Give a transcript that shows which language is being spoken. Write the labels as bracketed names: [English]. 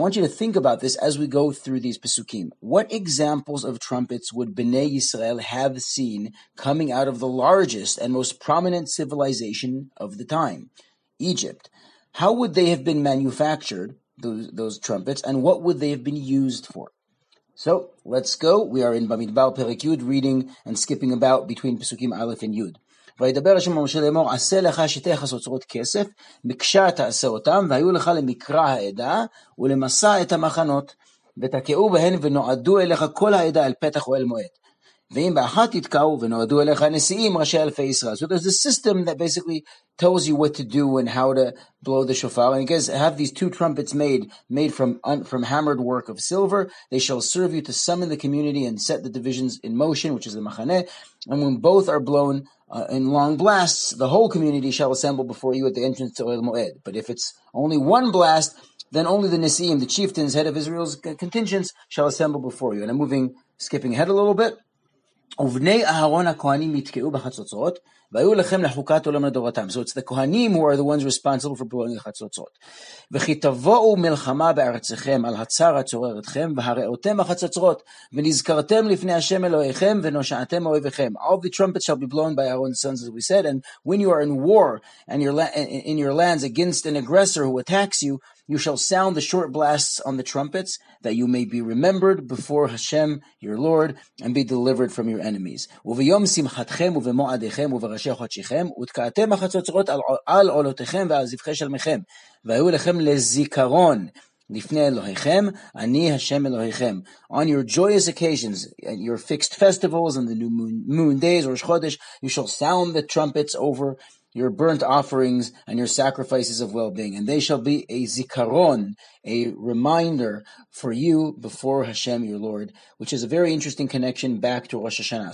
[English] I want you to think about this as we go through these pesukim. What examples of trumpets would Bnei Yisrael have seen coming out of the largest and most prominent civilization of the time, Egypt? How would they have been manufactured, those trumpets, and what would they have been used for? So, let's go. We are in Bamidbar Perek Yud, reading and skipping about between pesukim Aleph and Yud. [Hebrew] וידבר השם משה לאמור, עשה לך שתי חצוצרות כסף, מקשה תעשה אותם, והיו לך למקרא העדה, ולמסע את המחנות, ותקעו בהן ונועדו אליך כל העדה אל פתח אוהל מועד. ואם באחת תתקעו ונועדו אליך נשיאים ראשי אלפי ישראל. [English] So there's a system that basically tells you what to do and how to blow the shofar. And it says, have these two trumpets made from hammered work of silver. They shall serve you to summon the community and set the divisions in motion, which is the machaneh. And when both are blown in long blasts, the whole community shall assemble before you at the entrance to Oel Moed. But if it's only one blast, then only the Nesi'im, the chieftains, head of Israel's contingents, shall assemble before you. And I'm moving, skipping ahead a little bit. [Hebrew] ובני אהרון הכהנים יתקעו בחצוצרות, והיו לכם לחוקת עולם לדורתם. [English] So it's the כהנים who are the ones responsible for blowing the חצוצרות. [Hebrew] וכי תבואו מלחמה בארצכם על הצר הצורר אתכם, והראותם החצוצרות, ונזכרתם לפני השם אלוהיכם, ונושעתם אויביכם. [English] All the trumpets shall be blown by Aaron's sons, as we said, and when you are in war and in your lands against an aggressor who attacks you, you shall sound the short blasts on the trumpets, that you may be remembered before Hashem, your Lord, and be delivered from your enemies. [Hebrew] וביום שמחתכם ובמועדיכם ובראשי חודשיכם, ותקעתם החצוצרות על עולותיכם ועל זבחי שלמיכם, והיו לכם לזיכרון לפני אלוהיכם, אני השם אלוהיכם. [English] On your joyous occasions, your fixed festivals and the new moon days, Rosh Chodesh, you shall sound the trumpets over your burnt offerings and your sacrifices of well-being, and they shall be a zikaron, a reminder for you before Hashem your Lord, which is a very interesting connection back to Rosh Hashanah.